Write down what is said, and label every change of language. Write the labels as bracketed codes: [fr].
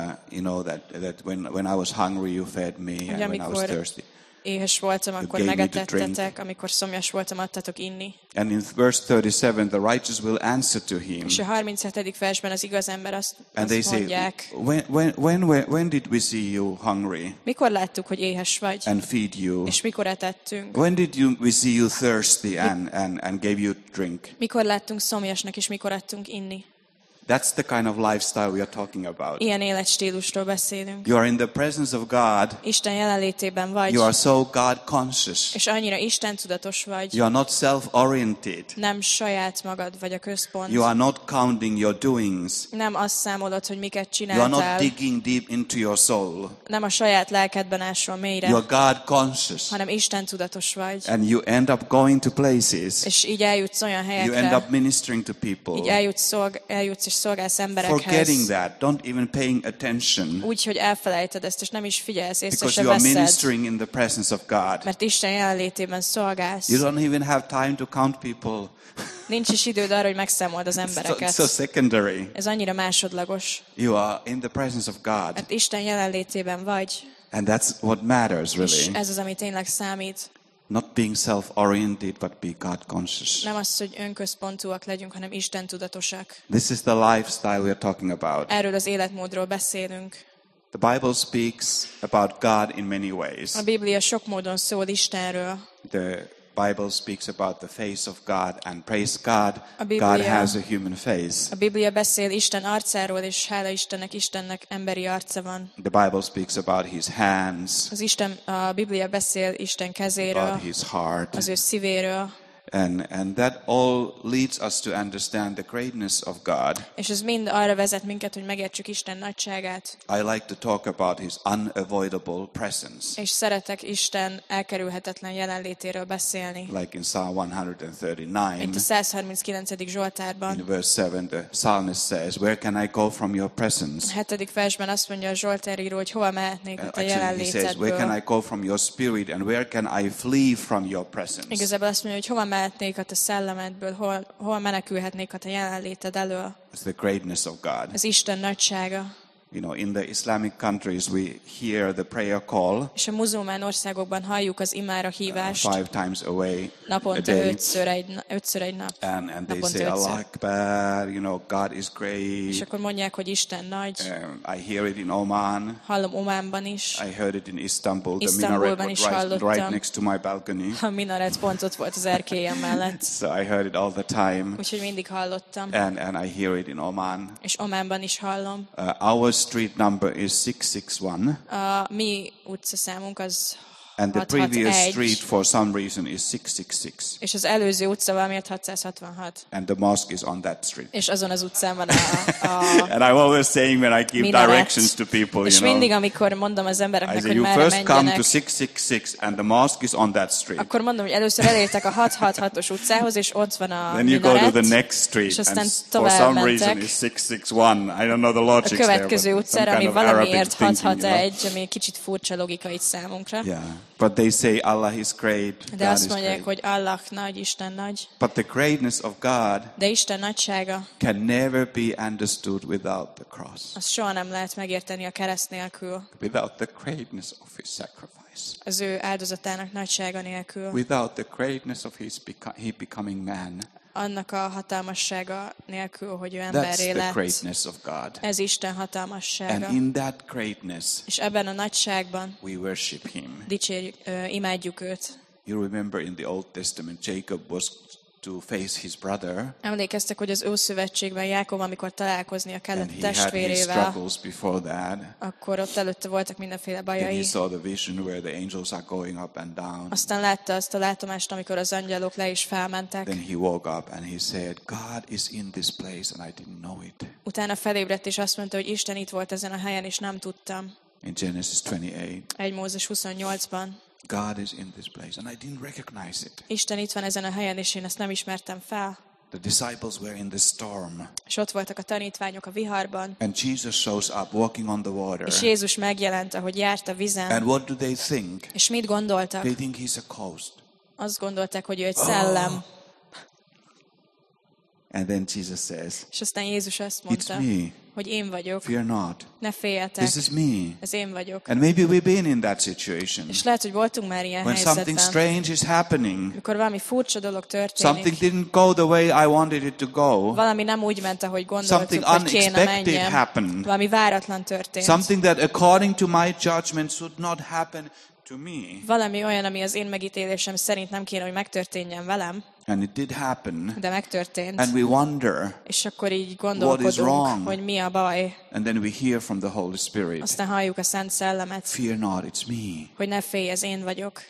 [en] You know that when I was hungry, you fed me, and when I was thirsty. [hu] Éhes voltam, akkor megetettetek, amikor szomjas voltam, adtatok inni. [en] And in verse 37, the righteous will answer to him. [hu] És a 37. versben az igaz ember azt mondják. [en] And they say, when did we see you hungry? [hu] Mikor láttuk, hogy éhes vagy? [en] And feed you. [hu] És mikor etettünk? [en] When did we see you thirsty and gave you drink? [hu] Mikor láttunk szomjasnak, és mikor adtunk inni? [en] That's the kind of lifestyle we are talking about. [hu] Ilyen életstílusról beszélünk. [en] You are in the presence of God. [hu] Isten jelenlétében vagy. [en] You are so God conscious. [hu] És annyira Isten tudatos vagy. [en] You are not self-oriented. [hu] Nem saját magad vagy a központ. [en] You are not counting your doings. [hu] Nem azt számolod, hogy miket csináltál. [en] You are not digging deep into your soul. [hu] Nem a saját lelkedben ásol mélyre. [en] You are God conscious. [hu] Hanem Isten tudatos vagy. [en] And you end up going to places. [hu] És így eljutsz olyan helyekre. [en] You end up ministering to people. [hu] Így eljutsz és szolgálsz emberekhez. [en] Forgetting that, don't even paying attention. [hu] Úgyhogy elfelejted ezt, és nem is figyelsz, észre se veszed. [en] Because you are ministering in the presence of God. [hu] Mert Isten jelenlétében szolgálsz. [en] You don't even have time to count people. [hu] Nincs is időd arra, hogy megszámold az embereket. [en] So secondary. [hu] Ez annyira másodlagos. [en] You are in the presence of God. [hu] Mert Isten jelenlétében vagy. [en] And that's what matters, really. [hu] És ez az, ami tényleg számít. [en] Not being self-oriented, but be God-conscious. [hu] Nem az, hogy önközpontúak legyünk, hanem Isten tudatosak. [en] This is the lifestyle we are talking about. [hu] Erről az életmódról beszélünk. [en] The Bible speaks about God in many ways. [hu] A Biblia sok módon szól Istenről. [en] The Bible speaks about the face of God and praise God. [hu] A Biblia, [en] God has a human face. [hu] A Biblia beszél Isten arcáról, és hála Istennek, Istennek emberi arca van. [en] The Bible speaks about his hands. [hu] Az Isten, a Biblia beszél Isten kezéről. [en] About his heart. [hu] Az ő szívéről. [en] And that all leads us to understand the greatness of God. [hu] És ez mind arra vezet minket, hogy megértsük Isten nagyságát. [en] I like to talk about his unavoidable presence. [hu] És szeretek Isten elkerülhetetlen jelenlétéről beszélni. [en] Like in Psalm 139. [hu] Itt a 139. Zsoltárban. [en] In verse 7 the psalmist says, where can I go from your presence? [hu] A 7. versben azt mondja a Zsoltár író, hogy hova mehetnék a jelenlétedből. [en] He says, where can I go from your spirit and where can I flee from your presence? [hu] Igazából azt mondja, hogy hova mehetnék a te szellemedből, hol menekülhetnék a te jelenléted elől. [en] It's the greatness of God. [hu] Ez Isten nagysága. [en] You know, in the Islamic countries we hear the prayer call. [hu] És a muzulmán országokban halljuk az imára hívást. [en] Five times away. [hu] Naponta ötször egy nap. [en] And they say [ar] Allah Akbar, [en] you know, God is great. [hu] És akkor mondják, hogy Isten nagy. [en] I hear it in Oman. [hu] Hallom Ománban is. [en] I heard it in Istanbul. [hu] Isztambulban is hallottam. [en] Right next to my balcony. [hu] A minaret pont ott volt az erkélyem mellett. [en] So I heard it all the time. [hu] Úgyhogy mindig hallottam. [en] And I hear it in Oman. [hu] És Ománban is hallom. [en] Our street number is 661. [hu] Mi utcaszámunk az 661. [en] And the previous street for some reason is 666. [hu] És az előző utca valamiért 666. [en] And the mosque is on that street. [hu] És azon az utcán van a [en] And I'm always saying when I give [hu] minaret. [en] Directions to people, you [hu] És [en] know. [hu] És mindig amikor mondom az embereknek, hogy merre menjenek. [en] You first come to 666 and the mosque is on that street. [hu] Akkor mondom, hogy először elértek a 666-os utcához, és ott van a minaret. [en] Then you [hu] minaret, [en] go to the next street and for some reason is 661. I don't know the logic there. [hu] A következő [en] there, [hu] utcára, ami valamiért 661, ami kicsit furcsa logika itt számunkra. [en] Yeah. But they say Allah is great. [hu] De azt mondják, hogy Allah nagy, Isten nagy. [en] But the greatness of God. [hu] De Isten nagysága. [en] Can never be understood without the cross. [hu] Azt soha nem lehet megérteni a kereszt nélkül. [en] Without the greatness of his sacrifice. [hu] Az ő áldozatának nagysága nélkül. [en] Without the greatness of his he becoming man. [hu] Annak a hatalmassága nélkül, hogy ő emberré lett. [en] That's the greatness of God. [hu] Ez Isten hatalmassága. [en] And in that greatness, [hu] és ebben a nagyságban [en] we worship him. [hu] Dicsérjük, imádjuk őt. [en] You remember in the Old Testament, Jacob was to face his brother. [hu] Emlékeztek, hogy az Ószövetségben Jákob, amikor találkoznia kellett [en] and [hu] testvérével, [en] he had his struggles before that. [hu] Akkor ott előtte voltak mindenféle bajai. [en] Then he saw the vision where the angels are going up and down. [hu] Aztán látta azt a látomást, amikor az angyalok le is felmentek. [en] Then he woke up and he said, God is in this place and I didn't know it. [hu] Utána felébredt és azt mondta, hogy Isten itt volt ezen a helyen és nem tudtam. [en] In Genesis 28. [hu] 1 Mózes 28-ban. [en] God is in this place and I didn't recognize it. [hu] Isten itt van ezen a helyen és én ezt nem ismertem fel. [en] The disciples were in the storm. [hu] És ott voltak a tanítványok a viharban. [en] And Jesus shows up walking on the water. [hu] És Jézus megjelent, ahogy járt a vízen. [en] And what do they think? [hu] És mit gondoltak? [en] They think he's a ghost. [hu] Azt gondolták, hogy ő egy szellem. [en] And then Jesus says. [hu] És aztán Jézus azt mondta. [en] It's me. [hu] Hogy én vagyok. [en] Fear not. [hu] Ne féljetek. [en] This is me. [hu] Ez én vagyok. [en] And maybe we've been in that situation. [hu] És lehet, hogy voltunk már ilyen [en] when [hu] helyzetben. [en] Something strange is happening. [hu] Mikor valami furcsa dolog történik. [en] Something didn't go the way I wanted it to go. [hu] Valami nem úgy ment, ahogy gondoltuk, [en] something [hu] hogy kéne menjen. [en] Something unexpected happened. [hu] Valami váratlan történt. [en] Something that according to my judgment should not happen to me. [hu] Valami olyan, ami az én megítélésem szerint nem kéne, hogy megtörténjen velem. [en] And it did happen. [hu] De megtörtént. [en] And we wonder, [hu] és akkor így gondolkodunk, hogy mi a baj. [en] And then we hear from the Holy Spirit. [hu] Aztán halljuk a Szent Szellemet. [en] Fear not, it's me. [hu] Hogy ne félj, ez én vagyok.